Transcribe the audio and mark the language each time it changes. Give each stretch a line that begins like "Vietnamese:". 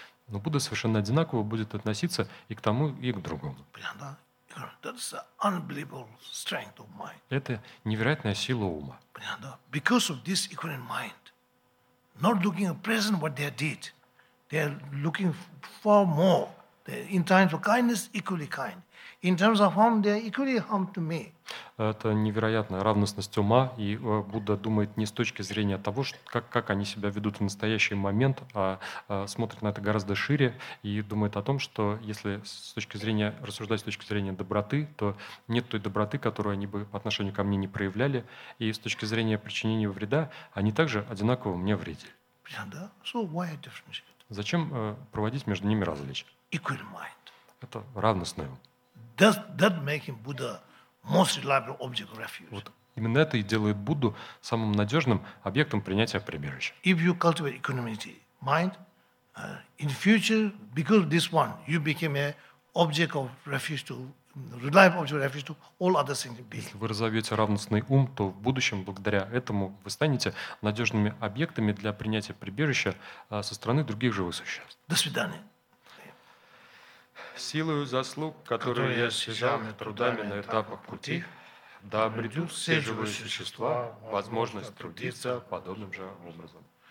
Russian: Но Будда совершенно одинаково будет относиться и к тому, и к другому.
English: That's an unbelievable strength of mind.
Russian: Это невероятная сила ума.
English: Because of this equivalent mind, not looking at present what they did, they are looking far more. In terms of kindness, equally kind. In terms of harm, they are equally harm to me.
Russian: Это невероятная равностность ума, и Будда думает не с точки зрения того, как они себя ведут в настоящий момент, а смотрит на это гораздо шире и думает о том, что если с точки зрения, рассуждать с точки зрения доброты, то нет той доброты, которую они бы по отношению ко мне не проявляли, и с точки зрения причинения вреда, они также одинаково мне вредили.
English: So why are differences?
Russian: Зачем проводить между ними различия?
English: Equal mind.
Russian: Это равностное ум.
English: That makes him Buddha most reliable object of refuge.
Russian: Вот именно это и делает Будду самым надежным объектом принятия прибежища.
English: If you cultivate equanimity mind, in future, because of this one, you became a object of refuge to reliable object of refuge to all other sentient beings.
Russian: Если вы разовьете равностный ум, то в будущем благодаря этому вы станете надежными объектами для принятия прибежища со стороны других живых существ. До свидания. Силою заслуг, которые я сижал трудами на этапах пути, да обретут все живые существа возможность трудиться подобным же образом.